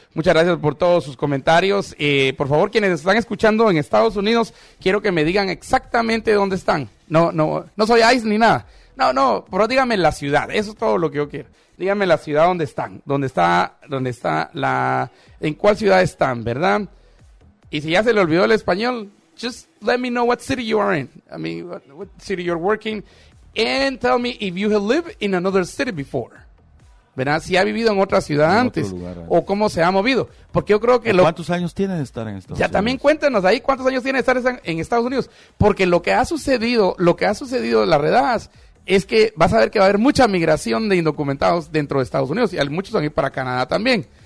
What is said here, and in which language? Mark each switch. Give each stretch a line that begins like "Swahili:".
Spanish: Muchas gracias por todos sus comentarios. Por favor, quienes están escuchando en Estados Unidos, quiero que me digan exactamente dónde están. No soy ICE ni nada. No, pero dígame la ciudad. Eso es todo lo que yo quiero. Dígame la ciudad dónde están. ¿Dónde está la. ¿En cuál ciudad están, verdad? Y si ya se le olvidó el español,
English: just let me know what city you are in. I mean, what city you're working. And tell me if you have lived in another city before.
Spanish: ¿Verdad? Si ha vivido en otra ciudad antes. O cómo se ha movido. Porque yo creo que... ¿Cuántos años tiene de estar en Estados Unidos? Ya también cuéntenos ahí cuántos años tiene de estar en Estados Unidos. Porque lo que ha sucedido en las redadas es que vas a ver que va a haber mucha migración de indocumentados dentro de Estados Unidos. Y muchos van a ir para Canadá también.